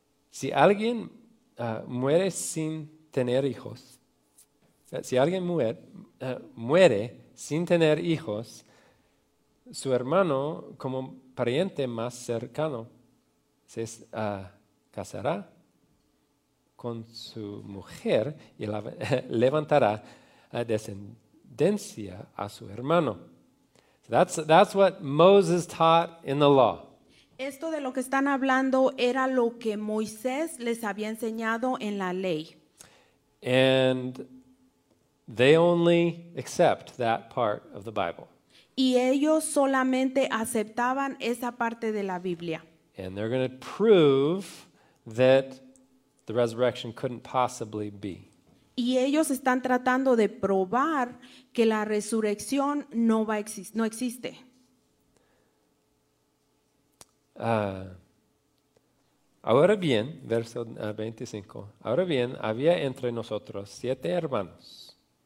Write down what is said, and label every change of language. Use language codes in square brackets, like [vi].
[es] si alguien muere sin tener hijos, su hermano como pariente más cercano se casará con su mujer y levantará descendencia a su hermano. [en] So that's what Moses taught in the law. [es] Esto de lo que están hablando era lo que Moisés les había enseñado en la ley. [en] And they only accept that part of the Bible. [es] Y ellos solamente aceptaban esa parte de la Biblia. [en] And they're going to prove that the resurrection couldn't possibly be. [es] Y ellos están tratando de probar que la resurrección no existe. Ahora bien, verso 25. Ahora bien, había entre nosotros 7 hermanos.